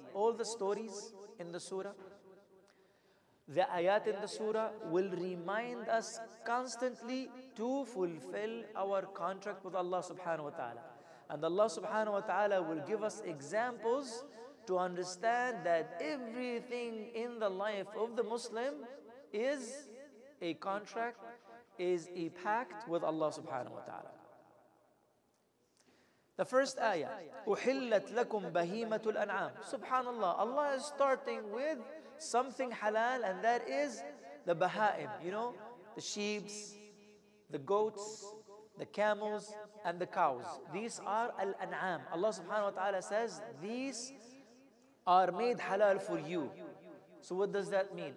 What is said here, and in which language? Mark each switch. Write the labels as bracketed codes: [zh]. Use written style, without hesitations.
[en] All the stories in the surah, the ayat in the surah will remind us constantly to fulfill our contract with Allah subhanahu wa ta'ala. And Allah subhanahu wa ta'ala will give us examples to understand that everything in the life of the Muslim is a contract, is a pact with Allah subhanahu wa ta'ala. The first ayah, [ar] أُحِلَّتْ لَكُمْ بَهِيمَةُ الْأَنْعَامِ. [en] Subhanallah, Allah is starting with something halal, and that is the baha'im, you know, the sheep, the goats, the camels, and the cows. These are al-an'am. Allah subhanahu wa ta'ala says, these are made halal for you. So what does that mean?